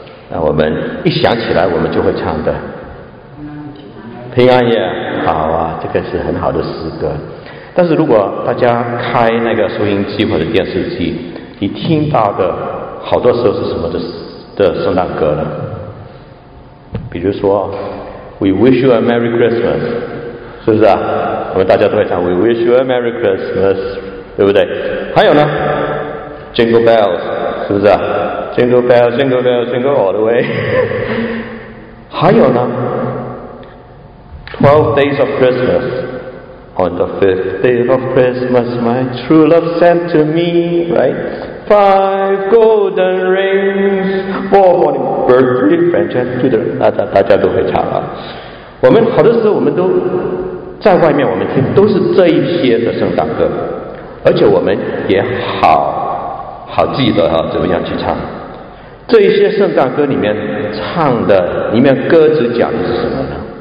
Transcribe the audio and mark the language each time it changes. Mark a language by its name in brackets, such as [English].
[Chinese] 那我们一想起来，我们就会唱的。平安夜，好啊，这个是很好的诗歌。但是如果大家开那个收音机或者电视机，你听到的好多时候是什么的圣诞歌呢？比如说 We wish you a Merry Christmas，是不是啊？我们大家都会唱 We wish you a Merry Christmas，对不对？还有呢 Jingle Bells， 是不是啊？ [English] Jingle Bells Jingle Bells Jingle All the Way。 [Chinese] 还有呢 12 Days of Christmas。 [English] On the fifth day of Christmas, my true love sent to me, right? Five golden rings, four morning birds, three branches, two the... [Chinese] 大家都会唱啊。我们好多时候我们都在外面，我们听都是这一些的圣诞歌，而且我们也好记得啊，怎么样去唱。这一些圣诞歌里面唱的，里面歌词讲的是什么呢？